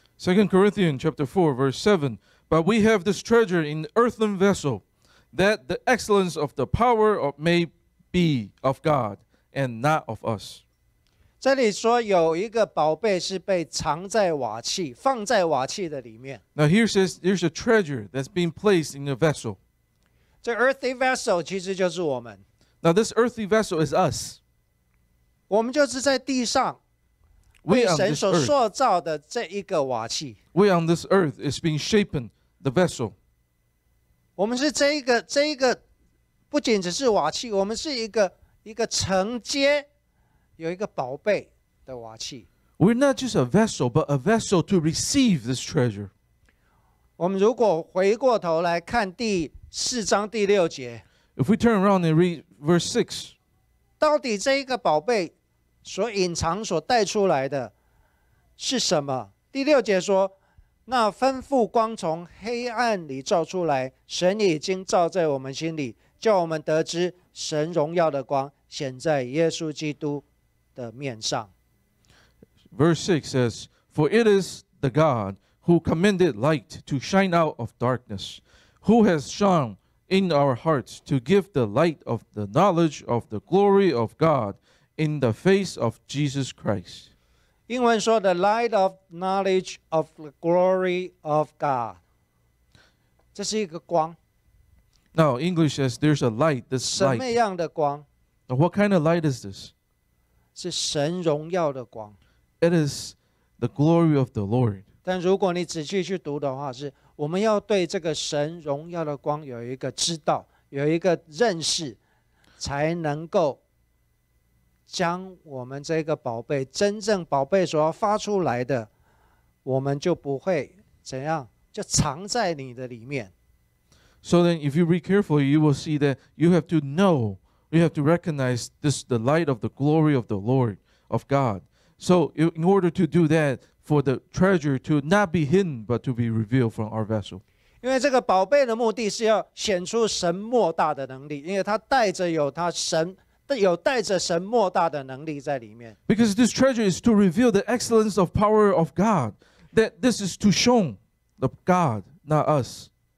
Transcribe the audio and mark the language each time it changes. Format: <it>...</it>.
<en>2 Corinthians chapter 4 verse 7. But we have this treasure in the earthen vessel, that the excellence of the power may be of God and not of us.</en> <zh>这里说有一个宝贝是被藏在瓦器，放在瓦器的里面。</zh> <en>Now here says there's a treasure that's being placed in a vessel.</en> <zh>这</zh> <en>earthy vessel</en> <zh>其实就是我们。</zh> <en>Now this earthy vessel is us.</en> <zh>我们就是在地上。为神所塑造的这一个瓦器</zh> <en>We on this earth is being shaped the vessel.</en> <zh>我们是这一个不仅只是瓦器，我们是一个承接有一个宝贝的瓦器。</zh> <en>We're not just a vessel, but a vessel to receive this treasure.</en> <zh>我们如果回过头来看第四章第六节</zh> <en>，If we turn around and read verse 6,</en> <zh>到底这一个宝贝。所隐藏所带出来的是什么？第六节说，那吩咐光从黑暗里照出来，神已经照在我们心里，叫我们得知神荣耀的光显在耶稣基督的面上。</zh> <en>Verse 6 says, For it is the God who commanded light to shine out of darkness, who has shone in our hearts to give the light of the knowledge of the glory of God,In the face of Jesus Christ.</en> <zh>英文说</zh> <en>the light of knowledge of the glory of God.</en> <zh>这是一个光。</zh> <en>Now, English says there's a light, this light.</en> <zh>什么样的光？</zh> <en>Now, what kind of light is this?</en> <zh>是神荣耀的光。</zh> <en>It is the glory of the Lord.</en> <zh>但如果你仔细去读的话，是我们要对这个神荣耀的光有一个知道，有一个认识，才能够将我们这个宝贝真正宝贝所要发出来的，我们就不会怎样，就藏在你的里面。</zh> <en>So then, if you read carefully, you will see that you have to know, you have to recognize this the light of the glory of the Lord of God. So in order to do that, for the treasure to not be hidden but to be revealed from our vessel.</en> <zh>因为这个宝贝的目的是要显出神莫大的能力，因为它带着有它神。有带着神莫大的能力在里面。</zh> <en>Because this treasure is to reveal the excellence of power of God, that this is to show the God, not us.</en>